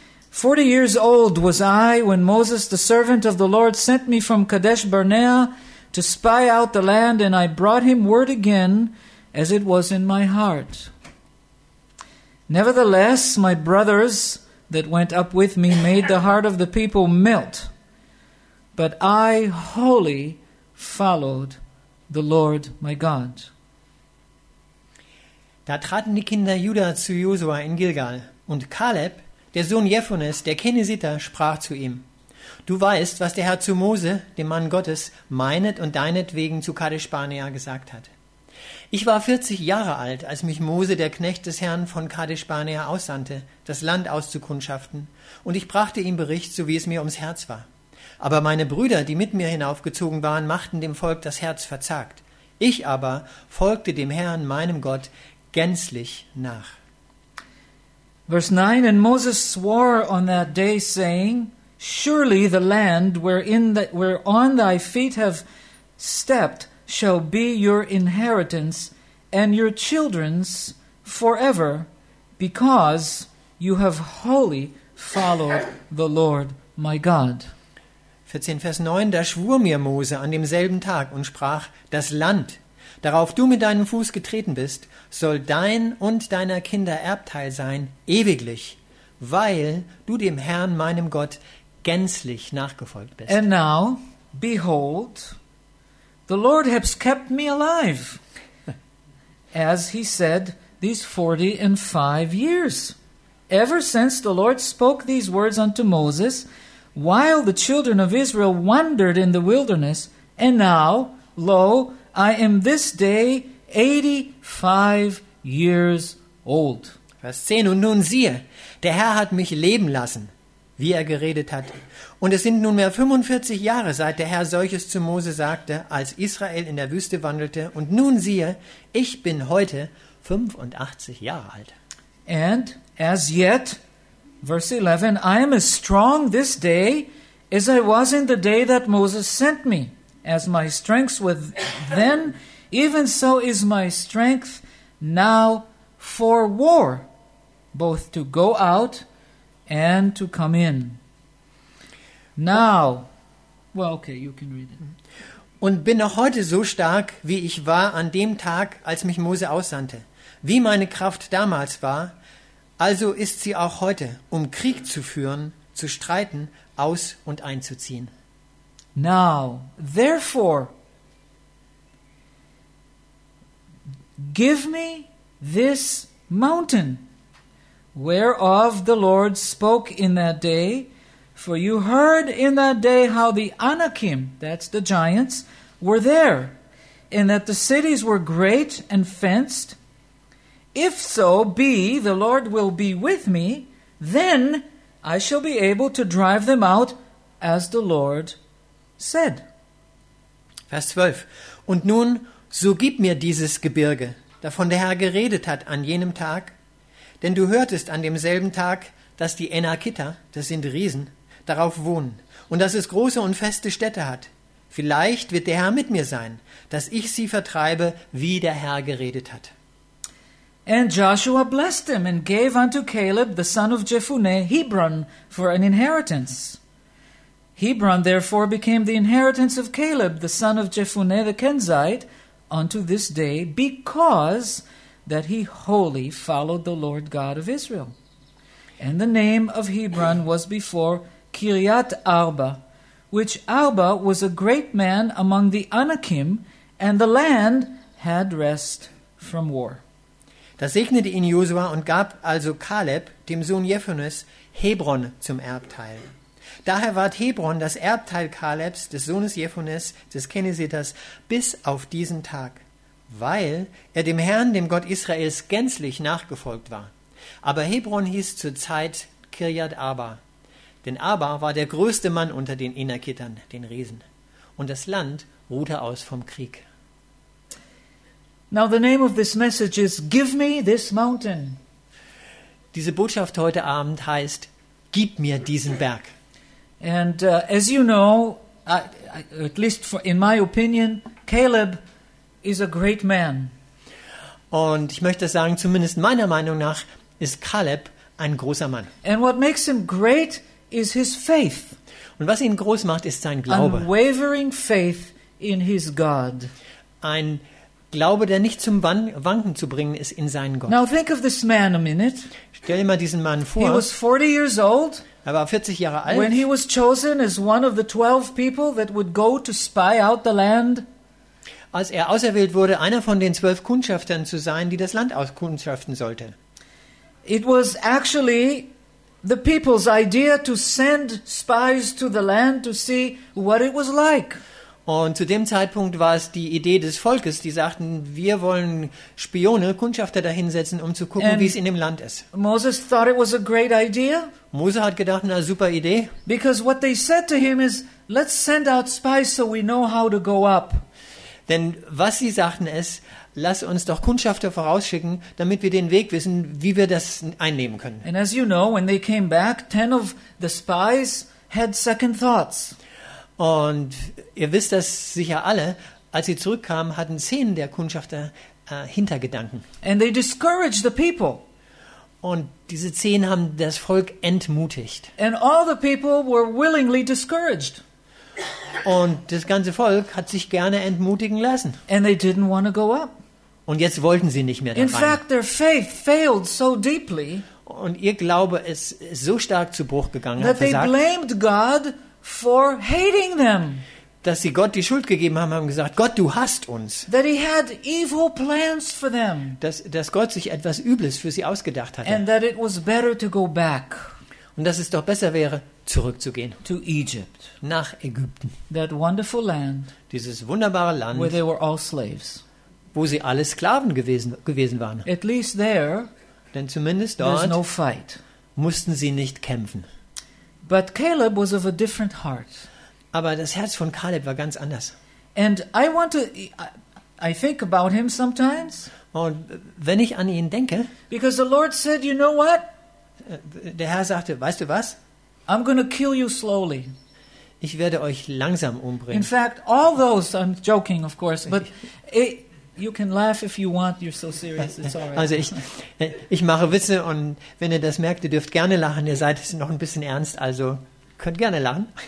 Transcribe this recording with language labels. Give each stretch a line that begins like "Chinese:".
English: 40 years old was I when Moses, the servant of the Lord, sent me from Kadesh Barnea to spy out the land, and I brought him word again as it was in my heart. Nevertheless, my brothers that went up with me made the heart of the people melt, but I wholly followed the Lord my God.
German: Da traten die Kinder Juda zu Josua in Gilgal, und Kaleb, der Sohn Jephunnes, der Kenesiter, sprach zu ihm, Du weißt, was der Herr zu Mose, dem Mann Gottes, meinet und deinetwegen zu Kadesh Barnea gesagt hat. Ich war 40 Jahre alt, als mich Mose, der Knecht des Herrn, von Kadesh Barnea aussandte, das Land auszukundschaften, und ich brachte ihm Bericht, so wie es mir ums Herz war. Aber meine Brüder, die mit mir hinaufgezogen waren, machten dem Volk das Herz verzagt. Ich aber folgte dem Herrn, meinem Gott, gänzlich nach.
English: Verse 9, And Moses swore on that day, saying, Surely the land whereon thy feet have stepped shall be your inheritance and your children's forever, because you have wholly followed the Lord my God.
German: 14, Vers 9, Da schwur mir Mose an demselben Tag und sprach, Das Land, darauf du mit deinem Fuß getreten bist, soll dein und deiner Kinder Erbteil sein, ewiglich, weil du dem Herrn, meinem Gott, gänzlich nachgefolgt bist.
English: And now, behold, the Lord has kept me alive, as he said, these 45 years. Ever since the Lord spoke these words unto Moses, while the children of Israel wandered in the wilderness, and now, lo, I am this day 85 years old.
German: Vers 10, und nun siehe, der Herr hat mich leben lassen, wie er geredet hat. Und es sind nunmehr 45 Jahre, seit der Herr solches zu Mose sagte, als Israel in der Wüste wandelte. Und nun siehe, ich bin heute 85 Jahre alt.
English: And as yet, verse 11, I am as strong this day as I was in the day that Moses sent me. As my strength was then, even so is my strength now for war. both to go out and to come in. Now, well, okay, you can read it.
German: Und bin noch heute so stark, wie ich war an dem Tag, als mich Mose aussandte. Wie meine Kraft damals war, also ist sie auch heute, um Krieg zu führen, zu streiten, aus- und einzuziehen.
English: Now, therefore, give me this mountain, whereof the Lord spoke in that day, for you heard in that day how the Anakim, that's the giants, were there, and that the cities were great and fenced. If so be the Lord will be with me, then I shall be able to drive them out, as the Lord said.
German: Vers 12. Und nun, so gib mir dieses Gebirge, davon der Herr geredet hat an jenem Tag. Denn du hörtest an demselben Tag, dass die Enakiter, das sind Riesen, darauf wohnen, und dass es große und feste Städte hat. Vielleicht wird der Herr mit mir sein, dass ich sie vertreibe, wie der Herr geredet hat.
English: And Joshua blessed him and gave unto Caleb, the son of Jephunneh, Hebron for an inheritance. Hebron therefore became the inheritance of Caleb, the son of Jephunneh the Kenzite, unto this day, because that he wholly followed the Lord God of Israel. And the name of Hebron was before Kiriat Arba, which Arba was a great man among the Anakim, and the land had rest from war.
German: Da segnete ihn Josua und gab also Kaleb, dem Sohn Jephunnes, Hebron zum Erbteil. Daher ward Hebron das Erbteil Kalebs, des Sohnes Jephunnes, des Kenesiters, bis auf diesen Tag, weil er dem Herrn, dem Gott Israels, gänzlich nachgefolgt war. Aber Hebron hieß zur Zeit Kiriat Arba, denn Arba war der größte Mann unter den Enakitern, den Riesen. Und das Land ruhte aus vom Krieg.
English: Now the name of this message is Give me this mountain.
German: Diese Botschaft heute Abend heißt Gib mir diesen Berg.
English: And as you know, at least for, in my opinion, Caleb is a great man.
German: Und ich möchte sagen, zumindest meiner Meinung nach ist Caleb ein großer Mann.
English: And what makes him great is his faith.
German: Und was ihn groß macht, ist sein Glaube.
English: Unwavering faith in his God.
German: Ein Glaube, der nicht zum Wanken zu bringen ist, in seinen Gott.
English: Now think of this man a minute.
German: Stell dir mal diesen Mann vor.
English: He was 40 years old.
German: Er war 40 Jahre alt.
English: When he was chosen as one of the 12 people that would go to spy out the land.
German: Als er auserwählt wurde, einer von den 12 Kundschaftern zu sein, die das Land auskundschaften sollte.
English: It was actually the people's idea to send spies to the land to see what it was like.
German: Und zu dem Zeitpunkt war es die Idee des Volkes, die sagten, wir wollen Spione, Kundschafter dahinsetzen, um zu gucken, wie es in dem Land ist.
English: Moses thought it was a great idea.
German: Mose hat gedacht, na super Idee.
English: Because what they said to him is, let's send out spies so we know how to go up.
German: Denn was sie sagten ist, lass uns doch Kundschafter vorausschicken, damit wir den Weg wissen, wie wir das einnehmen können.
English: And as you know, when they came back, 10 of the spies had second thoughts.
German: Und ihr wisst das sicher alle, als sie zurückkamen, hatten 10 der Kundschafter Hintergedanken.
English: And they discouraged the people.
German: Und diese 10 haben das Volk entmutigt.
English: And all the people were willingly discouraged.
German: Und das ganze Volk hat sich gerne entmutigen lassen.
English: And they didn't want to go up.
German: Und jetzt wollten sie nicht mehr da rein.
English: In fact, their faith failed so deeply.
German: Und ihr Glaube ist so stark zu Bruch gegangen,
English: that they blamed God for hating them.
German: Dass sie Gott die Schuld gegeben haben, haben gesagt, Gott, du hasst uns.
English: That he had evil plans for them.
German: Dass Gott sich etwas Übles für sie ausgedacht hatte.
English: And that it was better to go back.
German: Und dass es doch besser wäre, zurückzugehen.
English: To Egypt.
German: Nach Ägypten.
English: That wonderful land.
German: Dieses wunderbare Land.
English: Where they were all slaves.
German: Wo sie alle Sklaven gewesen waren.
English: At least there.
German: Denn zumindest dort.
English: There's no fight.
German: Mussten sie nicht kämpfen.
English: But Caleb was of a different heart.
German: Aber das Herz von Caleb war ganz anders.
English: And I think about him sometimes.
German: Und wenn ich an ihn denke.
English: Because the Lord said, you know what?
German: Der Herr sagte, weißt du was?
English: I'm going to kill you slowly.
German: Ich werde euch langsam umbringen.
English: In fact, all those, I'm joking, of course, but You can laugh if you want, you're so serious, it's all right.
German: Also ich mache Witze und wenn ihr das merkt, ihr dürft gerne lachen, ihr seid noch ein bisschen ernst, also könnt gerne lachen.